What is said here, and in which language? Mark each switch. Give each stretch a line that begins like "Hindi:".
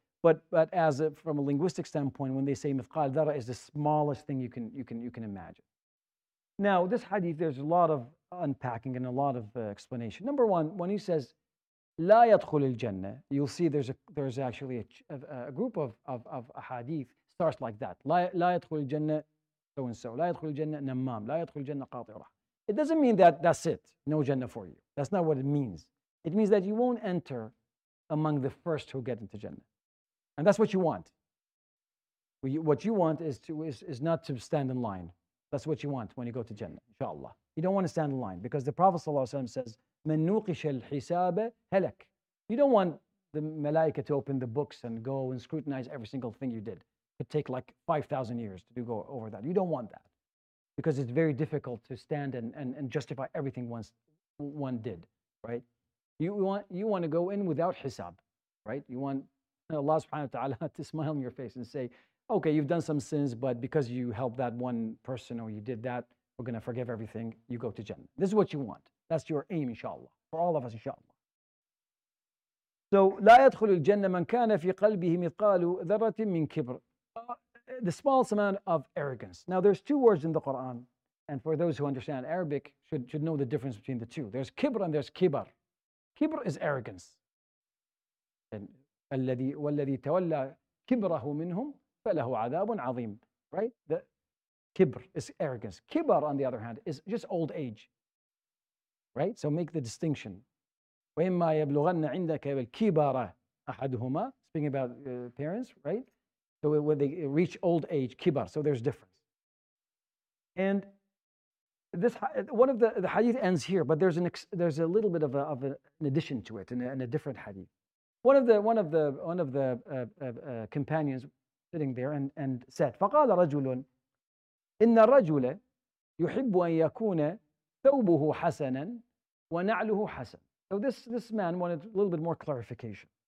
English: But as from a linguistic standpoint, when they say mithqal dharra is the smallest thing you can imagine. Now, this hadith, there's a lot of unpacking and a lot of explanation. Number one, when he says
Arabic: لا يدخل الجنة,
English: you'll see there's actually a group of hadith starts like that.
Arabic: لا يدخل الجنة
English: so and so.
Arabic: لا يدخل الجنة نمام. لا يدخل الجنة قاطع رحم.
English: It doesn't mean that that's it. No Jannah for you. That's not what it means. It means that you won't enter among the first who get into Jannah. And that's what you want. What you want is not to stand in line. That's what you want when you go to Jannah, inshallah. You don't want to stand in line because the Prophet ﷺ says,
Arabic: من نوقش الحساب هلك.
English: You don't want the malaika to open the books and go and scrutinize every single thing you did. Could take like 5,000 years to go over that. You don't want that because it's very difficult to stand and justify everything one did, right? You want to go in without hisab, right? You want Allah subhanahu wa ta'ala to smile on your face and say, okay, you've done some sins, but because you helped that one person or you did that, we're going to forgive everything. You go to Jannah. This is what you want. That's your aim, inshallah, for all of us, inshallah.
Arabic: So, لا يدخل الجنة من كان في قلبه مثقال ذرة من كبر.
English: The smallest amount of arrogance. Now, there's two words in the Quran, and for those who understand Arabic, should know the difference between the two. There's kibr and there's kibar. Kibr is arrogance.
Arabic: And الذي والذي تولى كبره منهم فله عذاب عظيم.
English: Right? The kibr is arrogance. Kibar, on the other hand, is just old age. Right? So make the distinction.
Arabic: وإما يبلغن عندك الكبار أحدهما.
English: Speaking about parents, right? So when they reach old age, kibar, so there's difference. And this one of the hadith ends here, but there's a little bit of an addition to it in a different hadith. One of the companions sitting there and said,
Arabic: فَقَالَ رَجُلٌ إِنَّ الرَّجُلَ يُحِبُّ أَن يَكُونَ ثَوْبُهُ حَسَنًا وَنَعْلُهُ حَسَنًا.
English: So this man wanted a little bit more clarification.